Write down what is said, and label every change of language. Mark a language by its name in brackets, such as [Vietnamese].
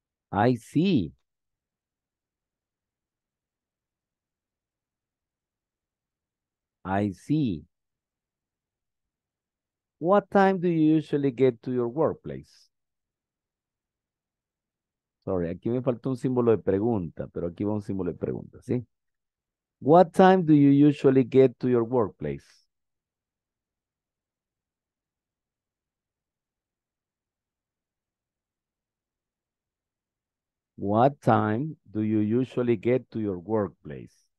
[English] I see. I see. What time do you usually get to your workplace? [Spanish] Sorry, aquí me faltó un símbolo de pregunta, pero aquí va un símbolo de pregunta, ¿sí? [English] What time do you usually get to your workplace? What time do you usually get to your workplace?